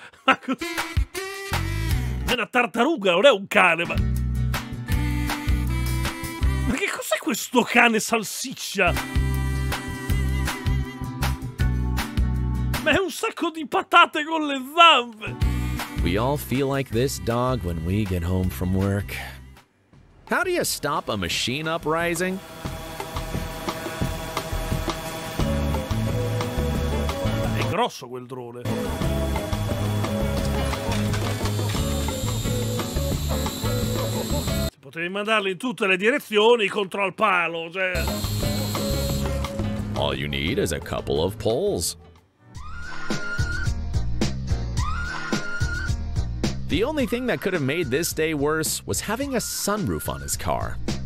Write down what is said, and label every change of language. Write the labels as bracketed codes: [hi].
[it] Ma cos'è? È una tartaruga, non è un cane, ma. Ma che cos'è questo cane salsiccia? Ma è un sacco di patate con le zampe! [en] We all feel like this dog when we get home from work. How do you stop a machine uprising? [it] È grosso quel drone. Se potevi mandarlo in tutte le direzioni contro al palo, cioè. [en] All you need is a couple of poles. The only thing that could have made this day worse was having a sunroof on his car.